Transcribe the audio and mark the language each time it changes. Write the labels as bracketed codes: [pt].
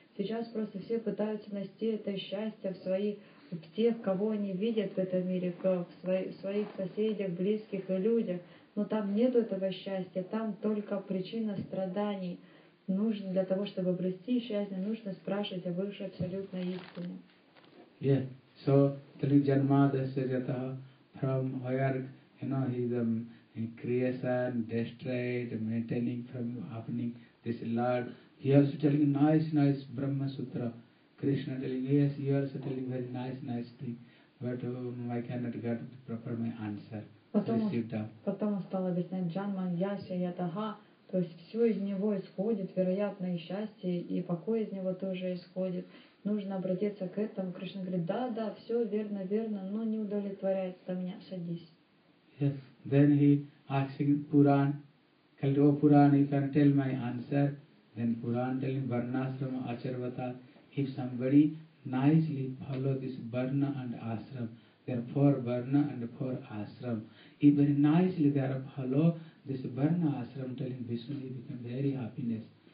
[ru] Сейчас просто все пытаются найти это счастье в своих, в тех, кого они видят в этом мире, в своих соседях, близких и людях. Но там нет этого счастья, там только причина страданий. Нужно для того, чтобы обрести счастье, нужно спрашивать о Высшей Абсолютной Истине. [en] Yeah, so Trijanmadasyata from Hoyark, you know, he's in creation, destroyed, maintaining from happening this Lord. He also telling nice, nice Brahma Sutra. Krishna telling, yes, you are telling very nice, nice thing, but I cannot get the proper my answer. [ru] Потом он стал объяснять Джанман Яся Ятага, то есть все из него исходит, вероятно, и счастье, и покой из него тоже исходит. Нужно обратиться к этому. Кришна говорит, да, да, все верно, верно, но не удовлетворяется меня, садись. [en] Yes. Then he asking Puran, Kalyo Puran, you can tell my answer. Then Puran telling Varnasrama Acharvata, if somebody nicely follow this Varna and Ashram, there are four Varna and four Ashram. If very nicely they are follow this Varna Ashram, telling Vishnu, he become very happiness.